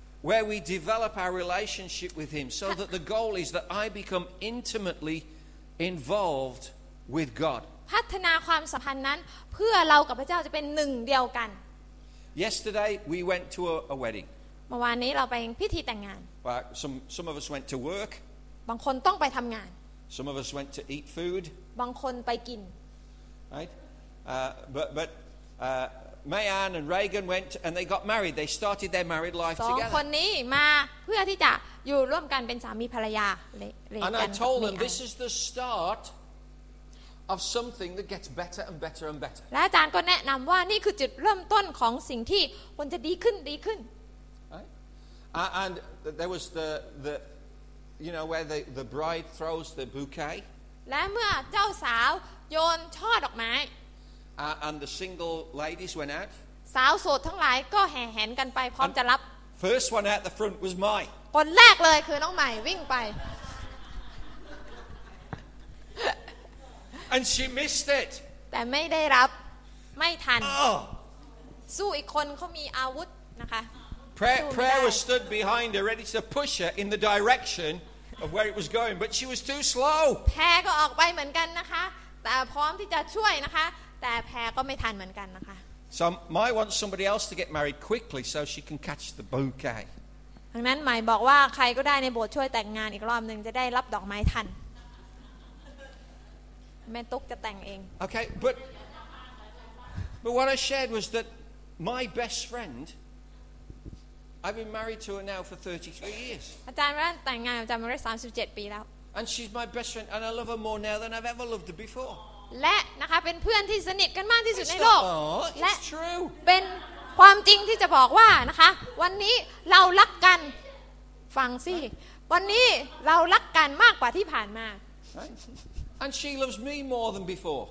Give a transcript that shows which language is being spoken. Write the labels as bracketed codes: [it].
[en] Where we develop our relationship with Him, so that the goal is that I become intimately involved with God. [th] พัฒนาความสัมพันธ์นั้นเพื่อเรากับพระเจ้าจะเป็นหนึ่งเดียวกัน [en] Yesterday we went to a wedding. [th] เมื่อวานนี้เราไปพิธีแต่งงาน [en] Well, some of us went to work. [th] บางคนต้องไปทำงาน [en] Some of us went to eat food. [th] บางคนไปกิน [en] Right? But Mayan and Reagan went and they got married. They started their married life together. [th] สองคนนี้มาเพื่อที่จะอยู่ร่วมกันเป็นสามีภรรยาเล [en] ยกัน And I told them this is the start of something that gets better and better and better. [th] และอาจารย์ก็แนะนำว่านี่คือจุดเริ่มต้นของสิ่งที่ควรจะดีขึ้นดีขึ้น [en] Right? And there was the you know where the bride throws the bouquet. [th] และเมื่อเจ้าสาวโยนช่อดอกไม้ [en] And the single ladies went out. [th] สาวโสดทั้งหลายก็แห่แหนกันไปพร้อมจะรับ [en] First one out the front was my. [th] คนแรกเลยคือน้องใหม่วิ่งไป [en] And she missed it. [th] แต่ไม่ได้รับไม่ทัน [en] Oh. [th] สู้อีกคนเขามีอาวุธนะคะ [en] Prayer was stood behind her, ready to push her in the direction of where it was going, but she was too slow. [th] แพก็ออกไปเหมือนกันนะคะแต่พร้อมที่จะช่วยนะคะแต่แพก็ไม่ทันเหมือนกันนะคะ [en] So Mai wants somebody else to get married quickly so she can catch the bouquet. [th] ดังนั้นไมค์บอกว่าใครก็ได้ในโบสถ์ช่วยแต่งงานอีกรอบนึงจะได้รับดอกไม้ทันแม่ตุ๊กจะแต่งเอง [en] Okay, but what I shared was that my best friend I've been married to her now for 33 years. [th] อาจารย์ว่าแต่งงานกับอาจารย์มาได้37ปีแล้ว [en] And she's my best friend and I love her more now than I've ever loved her before. [th] และนะคะเป็นเพื่อนที่สนิทกันมากที่สุดในโลก และ เป็นความจริงที่จะบอกว่านะคะวันนี้เรารักกันฟังสิวันนี้เรารักกันมากกว่าที่ผ่านมา [en] And she loves me more than before